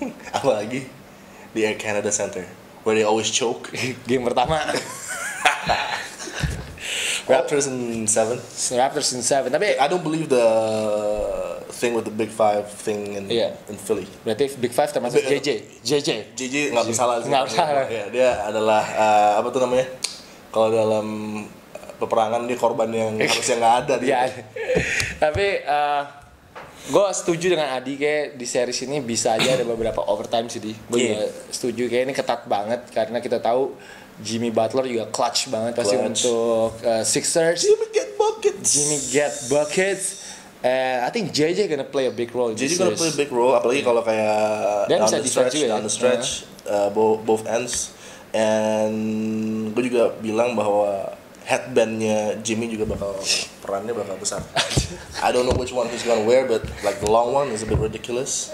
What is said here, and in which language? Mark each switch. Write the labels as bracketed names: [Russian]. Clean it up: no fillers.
[Indonesian] Apalagi di [English] Air Canada Center, where they always choke. [Indonesian] Game pertama. [English] Raptors in 7. Raptors in 7. Tapi I don't believe the thing with the big five thing in in Philly. [Indonesian] Berarti big five termasuk JJ. JJ. JJ nggak bersalah. Nggak bersalah. Ya, dia adalah apa tuh namanya? Kalau dalam peperangan dia korban yang harusnya nggak ada. Iya. <dia. laughs> Tapi gue setuju dengan Adi kayak di series ini bisa aja ada beberapa overtime sih. Gue setuju kayak ini ketat banget karena kita tahu Jimmy Butler juga clutch banget pasti untuk Sixers. [English] Jimmy get buckets. And I think JJ gonna play a big role. JJ gonna play a big role, [Indonesian] apalagi kalau kayak [English] down the stretch, juga, down the stretch, both ends. [Indonesian] And gue juga bilang bahwa headbandnya Jimmy juga bakal perannya bakal besar. [English] I don't know which one he's gonna wear, but like the long one is a bit ridiculous.